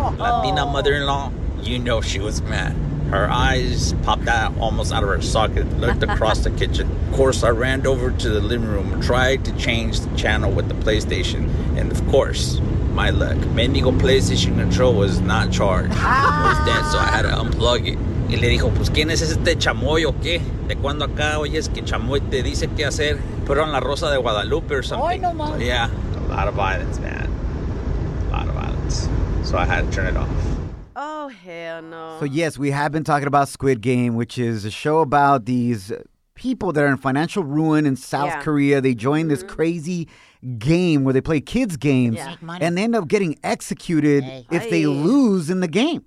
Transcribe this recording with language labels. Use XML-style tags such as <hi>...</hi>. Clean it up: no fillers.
<en>Latina mother-in-law, you know she was mad. Her eyes popped out almost out of her socket, looked across the kitchen. Of course, I ran over to the living room, tried to change the channel with the PlayStation. And of course, my luck. Mendigo PlayStation control was not charged. It was dead, so I had to unplug it.</en> <es>Y le dijo, pues, ¿quién es este chamoy o qué? ¿De cuándo acá oyes que chamoy te dice qué hacer?</es> <en>Put on La Rosa de Guadalupe or something. Oh, no, so, yeah, a lot of violence, man. A lot of violence. So I had to turn it off. Oh, hell no. So, yes, we have been talking about Squid Game, which is a show about these people that are in financial ruin in South Korea. They join this crazy game where they play kids' games and they end up getting executed if they lose in the game.</en>